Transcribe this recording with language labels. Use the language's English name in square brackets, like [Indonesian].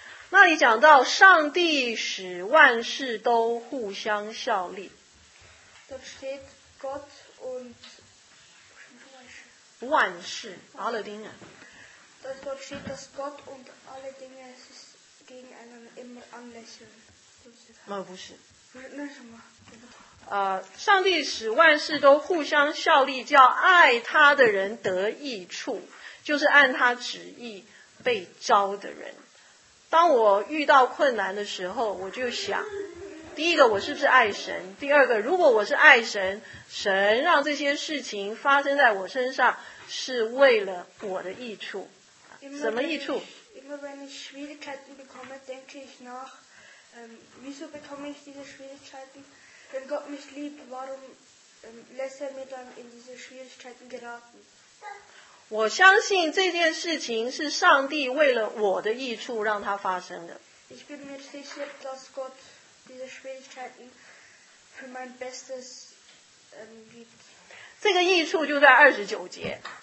[Chinese] 那里讲到上帝使万事都互相效力。 [German] Dort steht Gott und 万事 alle Dinge. Dort steht, dass Gott und alle Dinge sich gegeneinander immer anlächeln. [Chinese] 那不是。那什么？上帝使万事都互相效力，叫爱他的人得益处，就是按他旨意被召的人。当我遇到困难的时候，我就想，第一个我是不是爱神，第二个如果我是爱神，神让这些事情发生在我身上是为了我的益处。什么益处？ [German] Immer wenn ich Schwierigkeiten bekomme, denke ich nach, wieso bekomme ich diese Schwierigkeiten? Wenn Gott mich liebt, warum lässt er mir dann in diese Schwierigkeiten geraten? [Chinese] 我相信这件事情是上帝为了我的益处让它发生的。 [German] Ich bin mir sicher, dass Gott diese Schwierigkeiten für mein Bestes gibt. [Chinese] 这个益处就在二十九节。